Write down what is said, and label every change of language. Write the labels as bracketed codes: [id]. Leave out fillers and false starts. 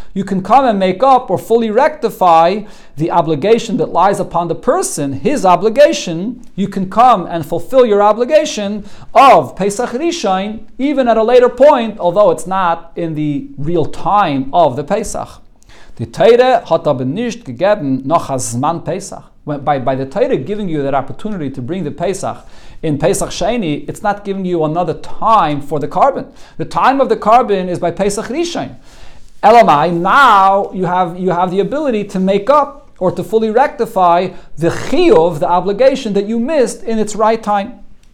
[en] You can come and make up or fully rectify the obligation that lies upon the person, his obligation. You can come and fulfill your obligation of Pesach Rishon even at a later point, although it's not in the real time of the Pesach. [yi] The Torah hat aber nicht gegeben noch a zman Pesach. [en] By the Torah giving you that opportunity to bring the Pesach in Pesach Sheni, it's not giving you another time for the carbon. The time of the carbon is by Pesach Rishon. Elamai, now you have the ability to make up or to fully rectify the chiyuv, the obligation that you missed in its right time.